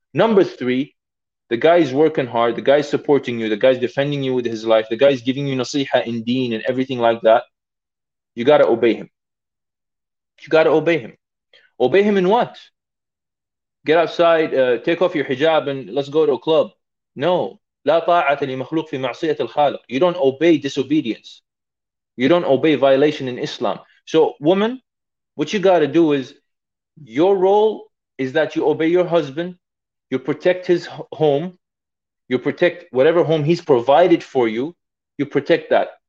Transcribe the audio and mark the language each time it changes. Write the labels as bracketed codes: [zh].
[en] Number three, the guy's working hard, the guy's supporting you, the guy's defending you with his life, the guy's giving you nasiha in deen and everything like that. You got to obey him. You got to obey him. Obey him in what? Get outside, take off your hijab and let's go to a club. No. [ar] لا طاعة لمخلوق في معصية الخالق. [en] You don't obey disobedience. You don't obey violation in Islam. So woman, what you got to do is, your role is that you obey your husband, you protect his home, you protect whatever home he's provided for you, you protect that.